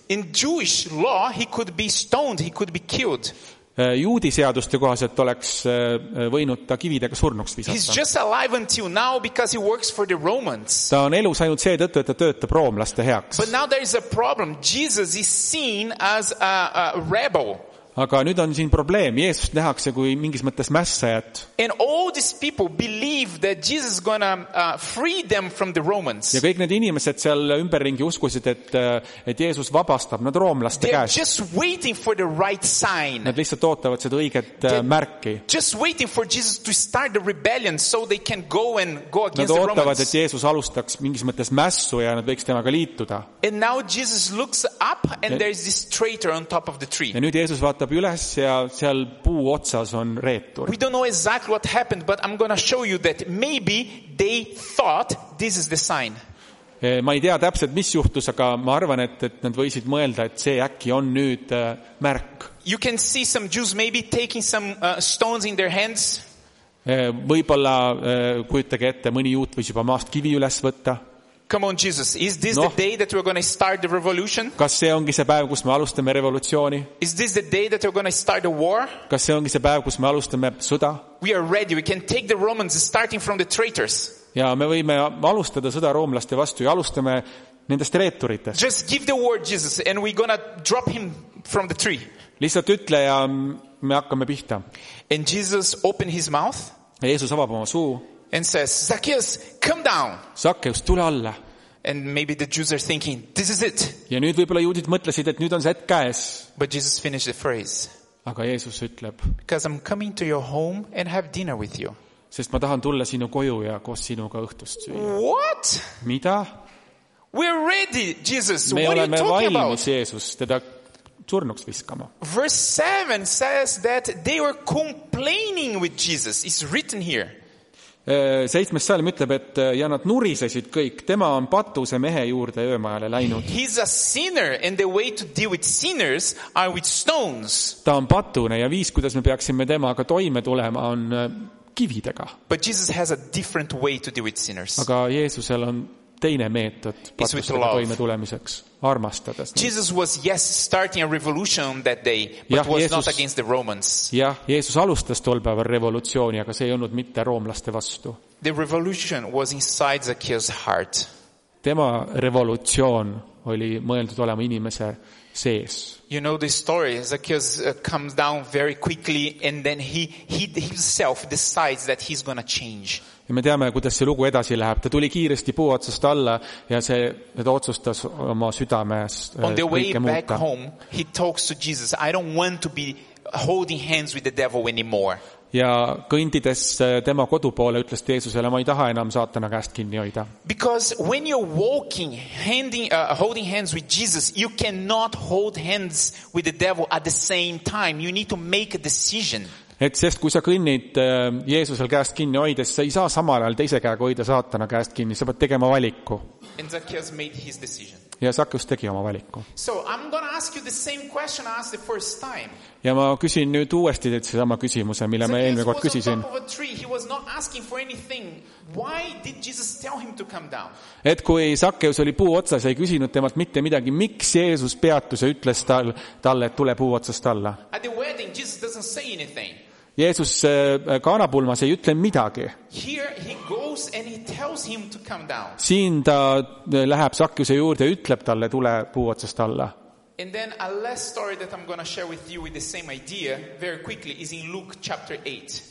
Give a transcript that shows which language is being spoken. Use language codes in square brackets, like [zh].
[en] In Jewish law he could be stoned, he could be killed. [et] Juudi seaduste kohaselt oleks võinud ta kividega surnuks visata. [en] He's just alive until now because he works for the Romans. [et] Ta on elus ainult see tõttu, et ta töötab roomlaste heaks. [en] But now there is a problem. Jesus is seen as a rebel. [et] Aga nüüd on siin probleem. Jeesus nähakse kui mingis mõttes mässajat. [en] And all these people believe that Jesus is gonna free them from the Romans. [et] Ja kõik need inimesed seal ümberringi uskusid, et Jeesus vabastab nad roomlaste käest. [en] They're just waiting for the right sign. [et] Nad lihtsalt ootavad seda õiget märki. [en] Just waiting for Jesus to start the rebellion so they can go and go against the Romans. [et] Nad ootavad, et Jeesus alustaks mingis mõttes mässu ja nad võiks temaga liituda. [en] And now Jesus looks up and there is this traitor on top of the tree. [et] Ja nüüd Jeesus vaatab üles ja seal puu otsas on reetur. [en] We don't know exactly what happened, but I'm going to show you that maybe they thought this is the sign. [et] Ma ei tea täpselt, mis juhtus, aga ma arvan, et nad võisid mõelda, et see äkki on nüüd märk. [en] You can see some Jews maybe taking some stones in their hands. [et] Võibolla kujutage ette, mõni juut võis juba maast kivi üles võtta. [en] Come on, Jesus. Is this the day that we're going to start the revolution? [et] Kas see ongi see päev, kus me alustame revolutsiooni? [en] Is this the day that we're going to start the war? [et] Kas see ongi see päev, kus me alustame sõda? [en] We are ready. We can take the Romans starting from the traitors. [et] Ja me võime alustada sõda roomlaste vastu ja alustame nendest reeturitest. [en] Just give the word, Jesus, and we're going to drop him from the tree. [et] Lihtsalt ütle ja me hakkame pihta. [en] And Jesus open his mouth. [et] Ja Jeesus avab oma suu. [en] And says, Zacchaeus, come down. [et] Zacchaeus, tule alla. [en] And maybe the Jews are thinking, this is it. [et] Ja nüüd võibolla juudid mõtlesid, et nüüd on see hetk käes. [en] But Jesus finished the phrase. [et] Aga Jeesus ütleb. [en] Because I'm coming to your home and have dinner with you. [et] Sest ma tahan tulla sinu koju ja koos sinuga õhtust süüa. [en] What? [et] Mida? [en] We're ready, Jesus. [et] Me [en] What [et] oleme [en] are you talking [et] valmis, Jeesus, teda surnuks viskama. [en] Verse 7 says that they were complaining with Jesus. It's written here. [et] Seitsmes salm ütleb, et ja nad nurisesid kõik. Tema on patuse mehe juurde öömajale läinud. [en] He's a sinner and the way to deal with sinners are with stones. [et] Ta on patune ja viis, kuidas me peaksime temaga toime tulema, on kividega. [en] But Jesus has a different way to deal with sinners. [et] Aga Jeesusel on teine meetod patusega toime tulemiseks, armastades. [en] Jesus was yes starting a revolution that day, but [et] jah, [en] was Jeesus, not against the Romans. [et] Ja Jeesus alustas tolpäeval revolutsiooni, aga see ei olnud mitte roomlaste vastu. [en] The revolution was inside Zacchaeus' heart. [et] Tema revolutsioon oli mõeldud olema inimese sees. [en] You know this story, Zacchaeus comes down very quickly and then he himself decides that he's going to change. [et] Ja me teame, kuidas see lugu edasi läheb. Ta tuli kiiresti puu otsast alla ja ta otsustas oma südames kõike muuta. [en] On the way back home, he talks to Jesus, I don't want to be holding hands with the devil anymore. [et] Ja kõndides tema kodupoole, ütles Jeesusele, ma ei taha enam saatana käest kinni hoida. [en] Because when you're walking, holding hands with Jesus, you cannot hold hands with the devil at the same time. You need to make a decision. [et] Et sest kui sa kõnnid Jeesusel käest kinni hoides, sa ei saa samal ajal teise käega hoida saatana käest kinni, sa pead tegema valiku. [en] And Zacchaeus made his decision. [et] Ja Zacchaeus tegi oma valiku. [en] So I'm going to ask you the same question I asked the first time. [et] Ja ma küsin nüüd uuesti teid see sama küsimuse, mille ma eelmine kord küsisin. [en] He was not asking for anything. Why did Jesus tell him to come down? [et] Et kui Zacchaeus oli puu otsas, ei küsinud temalt mitte midagi, miks Jeesus peatus ja ütles talle, et tule puu otsast alla. [en] At the wedding Jesus doesn't say anything. [et] Jeesus kaanapulmas ei ütle midagi. [en] Here he goes and he tells him to come down. [et] Siin ta läheb Zacchaeuse juurde ja ütleb talle, tule puu otsast alla. [en] And then a last story that I'm going to share with you with the same idea very quickly is in Luke chapter 8.